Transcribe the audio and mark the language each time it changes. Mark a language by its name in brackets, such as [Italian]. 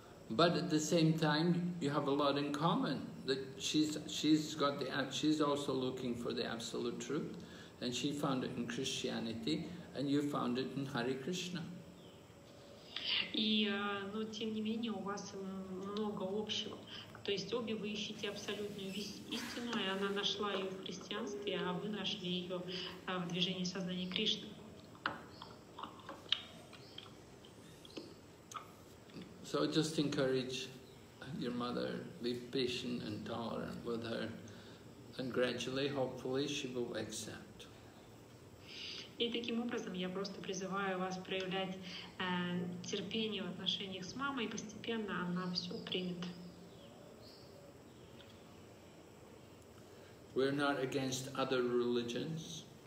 [English] But at the same time, you have a lot in common. That she's also looking for the absolute truth, and she found it in Christianity, and you found it in Hare Krishna. [Russian] И, но тем не менее у вас много общего. То есть обе вы ищете абсолютную истину, и она нашла ее в христианстве, а вы нашли ее в движении сознания Кришны. [English] So just encourage your mother, be patient and tolerant with her, and gradually, hopefully, she will accept. [Russian] И таким образом я просто призываю вас проявлять терпение в отношениях с мамой, и постепенно она все примет. [English] We're not against other religions.